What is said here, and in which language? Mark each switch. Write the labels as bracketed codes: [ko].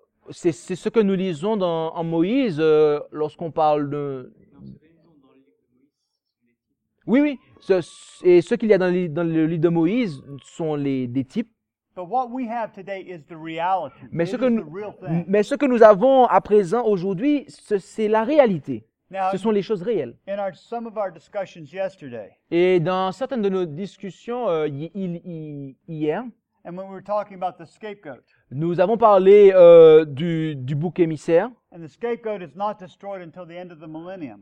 [fr] C'est ce que nous lisons en Moïse lorsqu'on parle de... Oui, et ce qu'il y a dans le livre de Moïse sont des types. [en] But what we have today is the reality. [fr] Mais ce que nous avons à présent aujourd'hui, c'est la réalité. [en] Now, [fr] ce sont les choses réelles. [en] In some of our discussions yesterday, [fr] et dans certaines de nos discussions hier, [en] and when we were talking about the scapegoat. [fr] Nous avons parlé du bouc émissaire. [en] And the scapegoat is not destroyed until the end of the millennium.